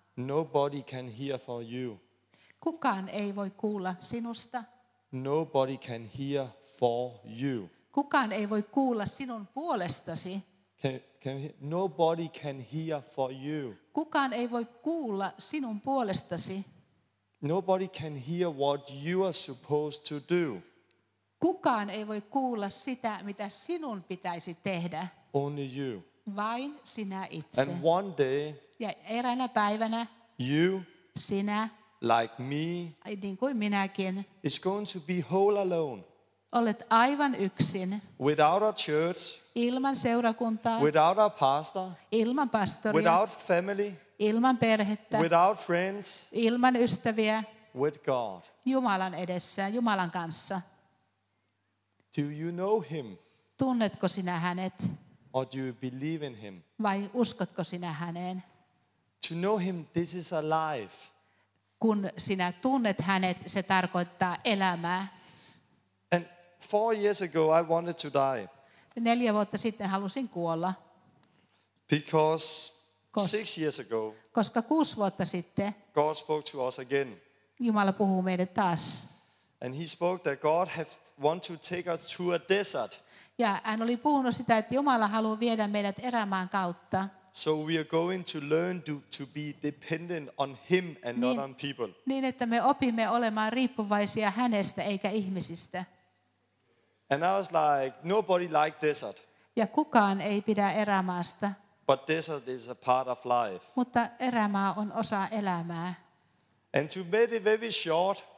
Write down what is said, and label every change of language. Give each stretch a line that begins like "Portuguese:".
English: Nobody can hear for you.
Finnish: Kukaan ei voi kuulla sinusta.
English: Nobody can hear for you.
Finnish: Kukaan ei voi kuulla sinun puolestasi.
English: Nobody can hear for you.
Finnish: Kukaan ei voi kuulla sinun puolestasi.
English: Nobody can hear what you are supposed to do.
Finnish: Kukaan ei voi kuulla sitä, mitä sinun pitäisi tehdä.
English: Only you.
Finnish: Vain sinä itse.
English: And one day.
Finnish: Ja eräänä päivänä.
English: You.
Finnish: Sinä.
English: Like me.
Finnish: Niin kuin minäkin.
English: It's going to be whole alone.
Finnish: Olet aivan yksin.
English: Without a church.
Finnish: Ilman seurakuntaa.
English: Without a pastor.
Finnish: Ilman pastoria.
English: Without family.
Finnish: Ilman perhettä.
English: Without friends.
Finnish: Ilman ystäviä.
English: With God.
Finnish: Jumalan edessä, Jumalan kanssa.
English: Do you know him?
Finnish: Tunnetko sinä hänet?
English: Or do you believe in him?
Finnish: Vai uskotko sinä häneen?
English: To know him, this is a life.
Finnish: Kun sinä tunnet hänet, se tarkoittaa elämää.
English: And 4 years ago, I wanted to die.
Finnish: 4 vuotta sitten halusin kuolla.
English: Because 6 years ago.
Finnish: Koska 6 vuotta sitten.
English: God spoke to us again.
Finnish: Jumala puhuu meille taas.
English: And he spoke that God wants to take us to a desert.
Finnish: Ja hän oli puhunut sitä, että Jumala haluaa viedä meidät erämaan kautta.
English: So we are going to learn to be dependent on him and niin, not on people.
Finnish: Niin että me opimme olemaan riippuvaisia hänestä eikä ihmisistä.
English: And I was like, nobody liked desert.
Finnish: Ja kukaan ei pidä erämaasta.
English: But desert is a part of life.
Finnish: Mutta erämaa on osa elämää.
English: And to make it very short.